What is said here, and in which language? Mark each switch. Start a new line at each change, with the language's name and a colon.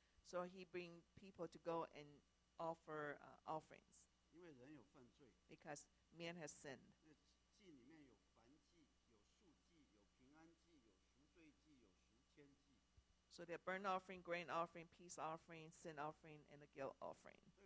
English: So he bring people to go and offer offerings.
Chinese: 因为人有犯罪。
English: Because man has sinned.
Chinese: 祭里面有燔祭，有素祭，有平安祭，有赎罪祭，有赎愆祭。
English: So they're burnt offering, grain offering, peace offering, sin offering, and the guilt offering.